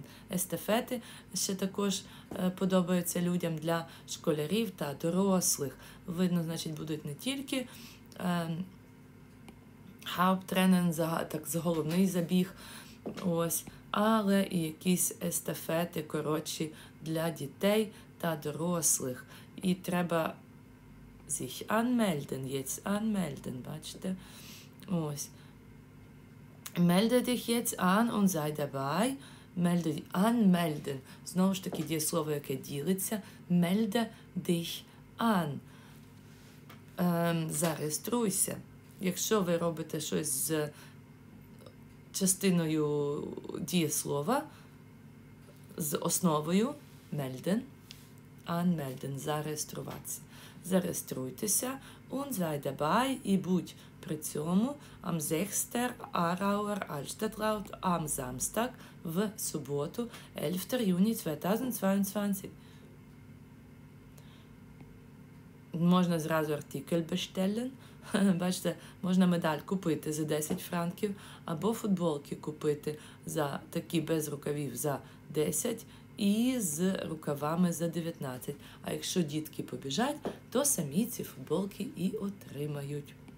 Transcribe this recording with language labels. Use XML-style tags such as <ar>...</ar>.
<uk>Estafette ще також подобаються людям для школярів та дорослих. Видно, значить, будуть не тільки Hauptrennen, так, головний забіг, ось, але і якісь естафети, коротші, для дітей та дорослих. І треба</uk> <de>sich anmelden, jetzt anmelden,</de> <uk>бачите? Ось.</uk> <de>Melde dich jetzt an und sei dabei. Melde dich anmelden.</de> <uk>Знову ж таки, є слово, яке ділиться.</uk> <de>Melde dich an.</de> <uk>Зареєструйся. Якщо ви робите щось з частиною дієслова, з основою, melden, anmelden, зареєструватися. Зареєструйтеся</uk> <de>und sei dabei</de> <uk>і будь при цьому</uk> <de>am 6. Aarauer Altstadtlauf am Samstag</de> <uk>в суботу</uk> <de>11. juni 2022.</de> <uk>можна зразу артикль bestellen. Бачите, можна медаль купити за 10 франків, або футболки купити за такі без рукавів за 10 і з рукавами за 19. А якщо дітки побіжать, то самі ці футболки і отримають.</uk>